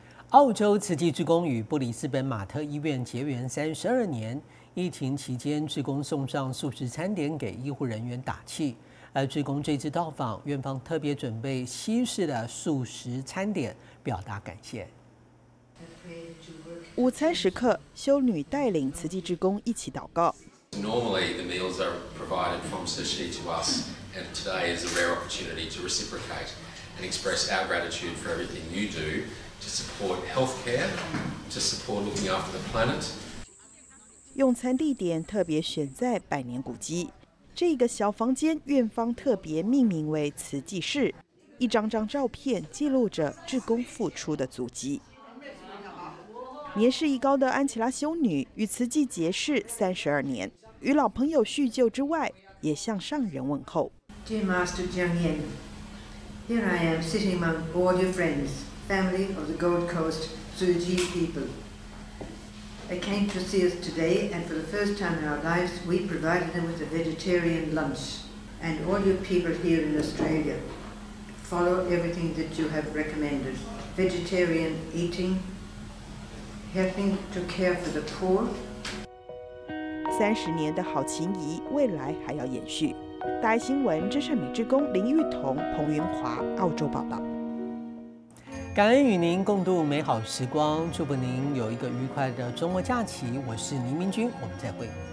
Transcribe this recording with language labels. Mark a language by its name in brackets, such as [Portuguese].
[Chinese] 澳洲慈济志工与布里斯本马特医院结缘32年，疫情期间，志工送上素食餐点给医护人员打气。而志工这次到访，院方特别准备西式的素食餐点，表达感谢。午餐时刻，修女带领慈济志工一起祷告。 [English] Normally the meals are provided from Sushi to us, and today is a rare opportunity to reciprocate and express our gratitude for everything you do. To support healthcare, to support looking after the planet. [Chinese] 用餐地点特别选在百年古迹，这个小房间院方特别命名为慈济室。一张张照片记录着志工付出的足迹。年事已高的安琪拉修女与慈济结识32年，与老朋友叙旧之外，也向上人问候。 [English] Dear Master Jiang Yin, here I am sitting among all your friends. Family of the Gold Coast Tsuji people. They came to see us today, and for the first time in our lives, we provided them with a vegetarian lunch. And all your people here in Australia follow everything that you have recommended. Vegetarian eating, helping to care for the poor. [Chinese] 30年的好情谊，未来还要延续。大爱新闻真善美志工林玉彤、彭云华，澳洲报道。感恩与您共度美好时光，祝福您有一个愉快的周末假期。我是倪明君，我们再会。